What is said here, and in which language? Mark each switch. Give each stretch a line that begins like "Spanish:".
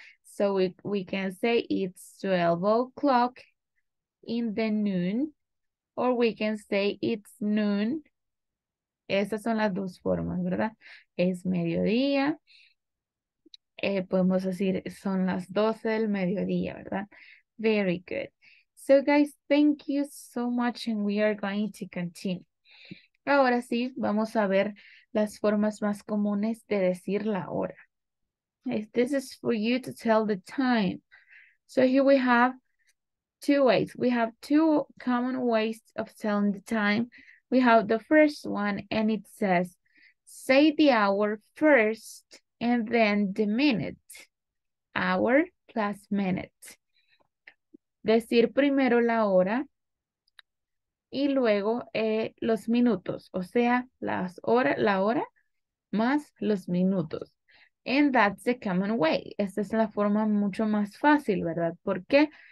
English: So we can say it's 12 o'clock in the noon, or we can say it's noon.
Spanish: Esas son las dos formas, ¿verdad? Es mediodía. Podemos decir son las 12 del mediodía, ¿verdad?
English: Very good. So guys, thank you so much and we are going to continue.
Spanish: Ahora sí, vamos a ver las formas más comunes de decir la hora.
English: This is for you to tell the time. So here we have two ways. We have two common ways of telling the time. We have the first one and it says, say the hour first and then the minute. Hour plus minute.
Spanish: Decir primero la hora y luego los minutos, o sea, la hora más los minutos.
English: And that's the common way.
Spanish: Esta es la forma mucho más fácil, ¿verdad? ¿Por qué?